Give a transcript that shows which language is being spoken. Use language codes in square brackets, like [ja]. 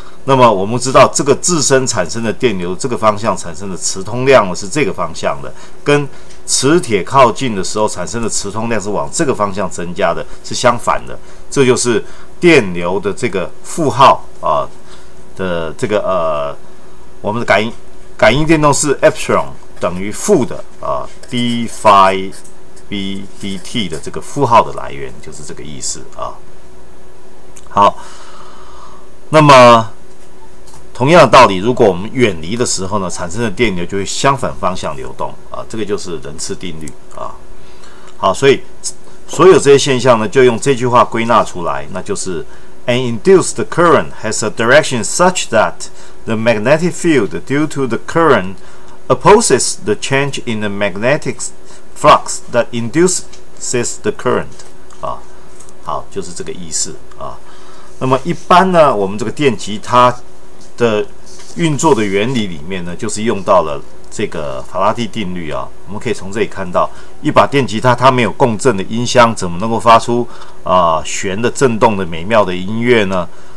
[zh] 那么我们知道这个自身产生的电流，这个方向产生的磁通量是这个方向的，跟磁铁靠近的时候产生的磁通量是往这个方向增加的，是相反的，这就是电流的这个负号的这个我们的感应电动是 epsilon 等于负的d phi b dt 的这个负号的来源，就是这个意思啊。好，那么同样的道理，如果我们远离的时候呢，产生的电流就会相反方向流动啊，这个就是棱磁定律啊。好，所以所有这些现象呢，就用这句话归纳出来，那就是 [en] An induced current has a direction such that the magnetic field due to the current opposes the change in the magnetic flux that induces the current 啊。 [zh] 好，就是这个意思啊。那么一般呢，我们这个电极它的运作的原理里面呢，就是用到了这个法拉第定律啊。我们可以从这里看到，一把电吉他它没有共振的音箱，怎么能够发出弦的震动的美妙的音乐呢？